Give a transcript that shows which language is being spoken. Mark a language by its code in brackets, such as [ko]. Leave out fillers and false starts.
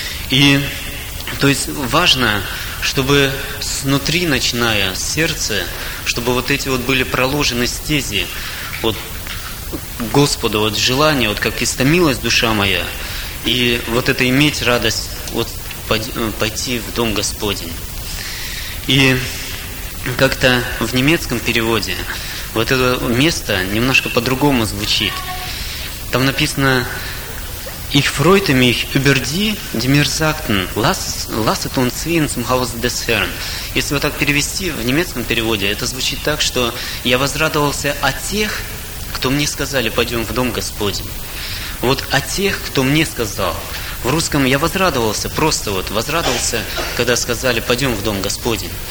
[ru] И, то есть, важно, чтобы снутри, начиная с сердца, чтобы вот эти вот были проложены стези вот к Господу, вот желание, вот как истомилась душа моя, и вот это иметь радость вот пойти в Дом Господень. И как-то в немецком переводе вот это место немножко по-другому звучит. Там написано [de] «Ich freute mich über die, die mir sagten, lasset uns ziehen zum Haus des Herrn». [ru] Если вот так перевести в немецком переводе, это звучит так, что «Я возрадовался о тех, кто мне сказали, пойдем в Дом Господень». Вот о тех, кто мне сказал. В русском я возрадовался, просто вот возрадовался, когда сказали, пойдем в Дом Господень.